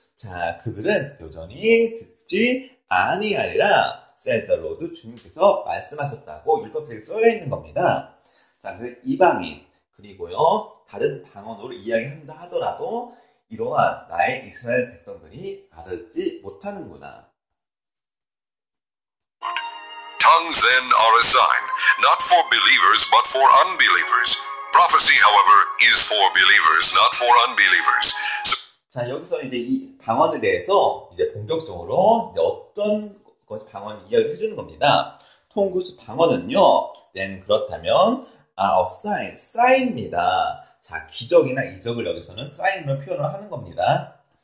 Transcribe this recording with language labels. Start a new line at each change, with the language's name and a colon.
Korean: 자, 그들은 여전히 듣지 아니하리라,
English: says the Lord
Korean: 주님께서 말씀하셨다고 율법책에 써여 있는 겁니다. 자, 그래서 이방인, 그리고요, 다른 방언으로 이야기한다 하더라도 이러한 나의 이스라엘 백성들이 알아듣지 못하는구나.
English: Tongues then are a sign, not for believers, but for unbelievers. Prophecy, however, is for believers, not for unbelievers. So
Korean: 자, 여기서 이제 이 방언에 대해서 이제 본격적으로 이제 어떤 것이 방언을 이야기해 주는 겁니다. 통구스 방언은요,
English: then
Korean: 그렇다면
English: are a sign,
Korean: sign입니다. 자, 기적이나 이적을 여기서는 sign으로 표현을 하는 겁니다.